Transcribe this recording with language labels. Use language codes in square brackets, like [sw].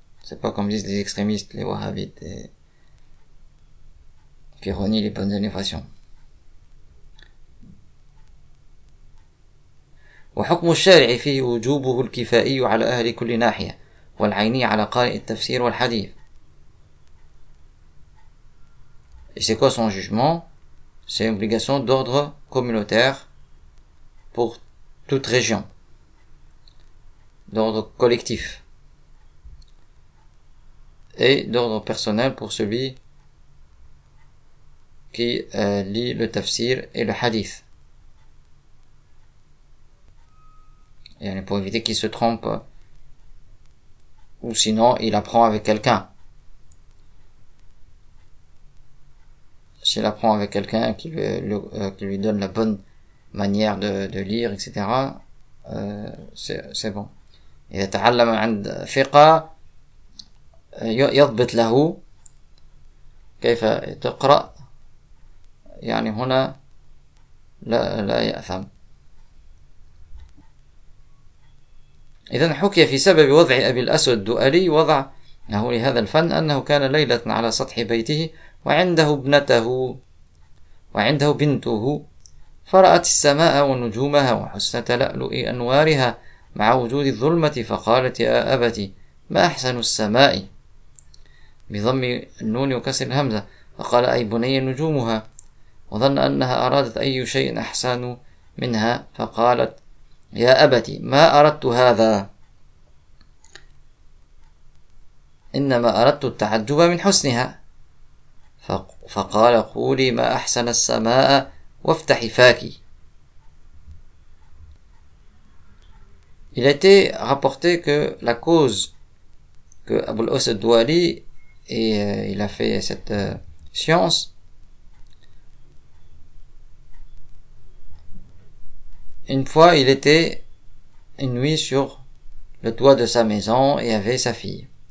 [fr] C'est pas comme disent les extrémistes, les wahhabites, qui renient les bonnes innovations. [ar] وحكم الشارع فيه وجوبه الكفائي على أهل كل ناحية والعيني على قارئ التفسير والحديث. [fr] Et c'est quoi son jugement? C'est une obligation d'ordre communautaire pour toute région, d'ordre collectif et d'ordre personnel pour celui qui lit le tafsir et le hadith. Pour éviter qu'il se trompe, ou sinon il apprend avec quelqu'un. S'il apprend avec quelqu'un qui lui donne la bonne manière de lire, etc., c'est bon. [ar] إذا تعلم عند ثقة يضبط له كيف تقرأ يعني هنا لا يأثم. إذن حكي في سبب وضع أبي الأسود الدؤلي وضعه لهذا الفن أنه كان ليلة على سطح بيته وعنده بنته فرأت السماء ونجومها وحسن تلألؤ أنوارها مع وجود الظلمة فقالت يا أبتي ما أحسن السماء بضم النون وكسر الهمزة فقال أي بني نجومها وظن أنها أرادت أي شيء أحسن منها فقالت يا أبتي ما أردت هذا إنما أردت التعجب من حسنها فقال قولي ما أحسن السماء وافتحي فاكي. [fr] Il était rapporté que la cause que Abul Asad Wali et il a fait cette science, une fois il était une nuit sur le toit de sa maison et avait sa fille.